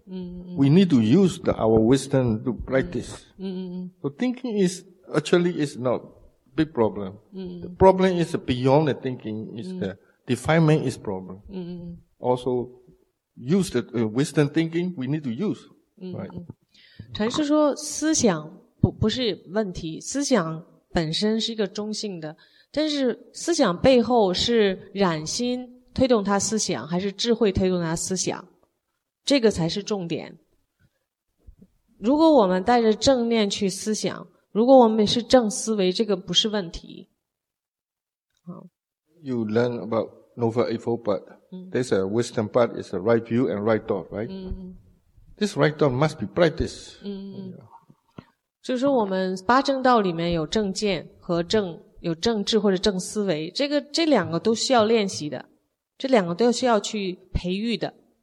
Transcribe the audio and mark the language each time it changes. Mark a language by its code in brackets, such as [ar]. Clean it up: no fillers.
[en] We need to use our wisdom to practice. So thinking is actually is not. Big problem. The problem is beyond the thinking, is the defilement is problem. Also, use the wisdom thinking, we need to use. Right. [zh] 禅师说思想不是问题，思想本身是一个中性的，但是思想背后是染心推动他思想，还是智慧推动他思想，这个才是重点。如果我们带着正念去思想，如果我们是正思维，这个不是问题。 [en] You learn about Nova Eightfold Path. There's a wisdom path, it's a right view and right thought, right? This right thought must be practiced. [zh] 就是说我们八正道里面有正见和有正智或者正思维，这两个都需要练习的，这两个都需要去培育的。